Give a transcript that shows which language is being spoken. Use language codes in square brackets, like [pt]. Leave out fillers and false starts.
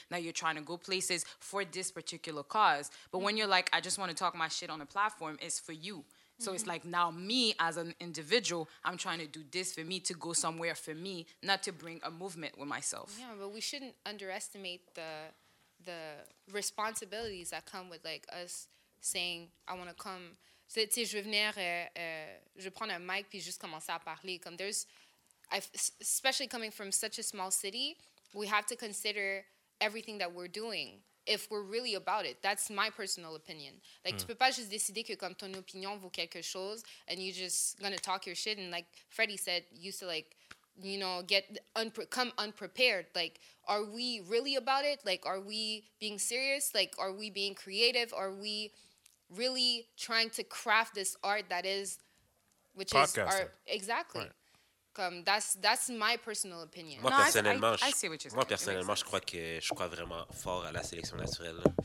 [en] Now you're trying to go places for this particular cause. But when you're like, I just want to talk my shit on a platform, it's for you. So it's like, now me as an individual, I'm trying to do this for me, to go somewhere for me, not to bring a movement with myself. Yeah, but we shouldn't underestimate the responsibilities that come with like us saying, I want to come. [fr] So, tu sais, je vais venir, je prends un mic puis juste commencer à parler. [en] Comme there's, especially coming from such a small city, we have to consider everything that we're doing. If we're really about it, that's my personal opinion. Like, [fr] tu peux pas juste décider que comme ton opinion vaut quelque chose, [en] and you're just gonna talk your shit. And like Freddie said, used to like, you know, come unprepared. Like, are we really about it? Like, are we being serious? Like, are we being creative? Are we really trying to craft this art that is which podcaster. Is our exactly. Right. That's my personal opinion. [fr] Moi, personnellement, je crois que je crois vraiment fort à la sélection naturelle.